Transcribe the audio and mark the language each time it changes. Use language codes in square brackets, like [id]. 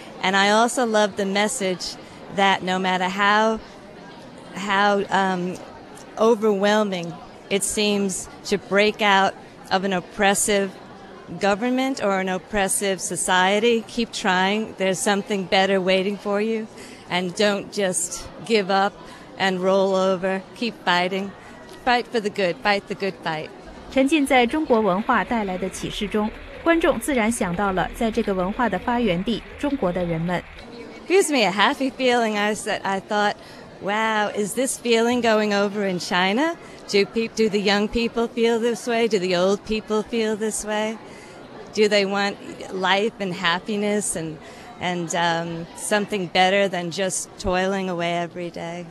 [en] And I also loved the message that no matter how overwhelming it seems to break out of an oppressive government or an oppressive society, keep trying. There's something better waiting for you. And don't just give up. And roll over, keep fighting, fight for the good, fight the good fight. [zh] 沉浸在中国文化带来的启示中，观众自然想到了在这个文化的发源地中国的人们。 [en] Gives me a happy feeling. I thought, wow, is this feeling going over in China? Do the young people feel this way? Do the old people feel this way? Do they want life and happiness and something better than just toiling away every day.